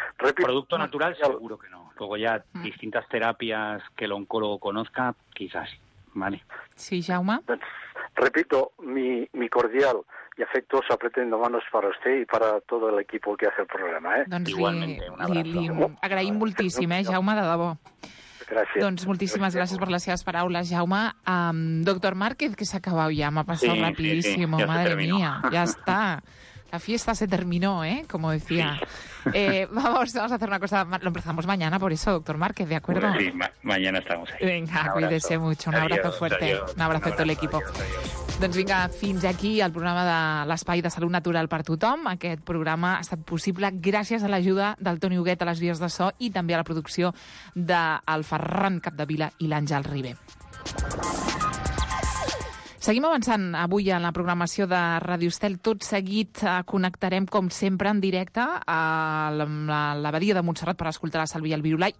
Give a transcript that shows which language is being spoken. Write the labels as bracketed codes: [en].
[es] Producto natural, seguro que no. Luego ya distintas terapias que el oncólogo conozca, quizás. Vale. Sí, Jaume. Repito, mi cordial y afectuoso apretón de manos para usted y para todo el equipo que hace el programa. Doncs igualmente, un abrazo. [ca] Agraïm moltíssim, Jaume, de debò. Gràcies. Doncs moltíssimes gràcies per les seves paraules, Jaume. Doctor Márquez, que s'ha acabat ja, m'ha passat sí, rapidíssim, sí, sí. [es] Madre mía, [ca] ja està. [es] La fiesta se terminó, como decía. Sí. Vamos a hacer una cosa. Lo empezamos mañana, por eso, doctor Márquez, ¿de acuerdo? Sí, mañana estamos ahí. Venga, cuídese mucho. Un abrazo fuerte. Adiós. Un abrazo a todo el equipo. Adiós. [ca] Doncs vinga, fins aquí el programa de l'Espai de Salut Natural per tothom. Aquest programa ha estat possible gràcies a l'ajuda del Toni Huguet a les vies de so i també a la producció del Ferran Capdevila i l'Àngel Ribé. Seguim avançant avui en la programació de Ràdio Estel. Tot seguit connectarem, com sempre, en directe a l'Abadia de Montserrat per escoltar la Sàlvia i el Virolai.